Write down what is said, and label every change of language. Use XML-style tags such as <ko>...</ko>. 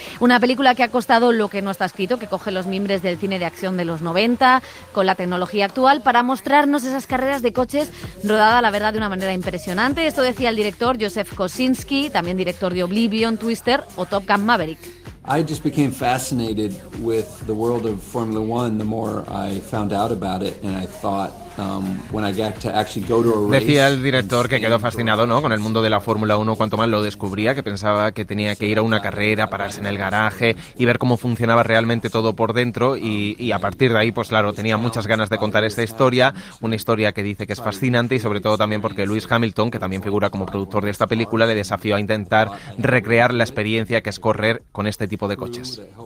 <es>Una película que ha costado lo que no está escrito, que coge los mimbres del cine de acción de los 90 con la tecnología actual para mostrarnos esas carreras de coches rodada, la verdad, de una manera impresionante. Esto decía el director Joseph Kosinski, también director de Oblivion, Twister o Top Gun Maverick.</es> <en>I just became fascinated with the world of Formula One the more I found out about it, and I thought when I got to actually go to a race.</en> <es>Decía el director que quedó fascinado, ¿no?, con el mundo de la Fórmula 1, cuanto más lo descubría, que pensaba que tenía que ir a una carrera, pararse en el garaje y ver cómo funcionaba realmente todo por dentro, y a partir de ahí, pues claro, tenía muchas ganas de contar esta historia, una historia que dice que es fascinante, y sobre todo también porque Lewis Hamilton, que también figura como productor de esta película, le desafió a intentar recrear la experiencia que es correr con este tipo de coches.</es>